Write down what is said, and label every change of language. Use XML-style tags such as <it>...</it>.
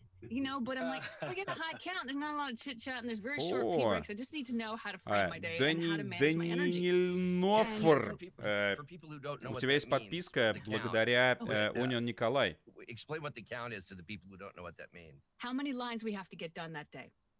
<en>You know, but I'm like, we get a high count. There's not a lot of chit chat, and there's very short pee breaks. I just need to know how to frame my day and how to manage my energy.</en> <ru>Данильнофер, у тебя есть подписка благодаря Унион Николай.</ru> <en>Explain what the count is to the people who don't know what that means. How many lines we have to get done that day?</en>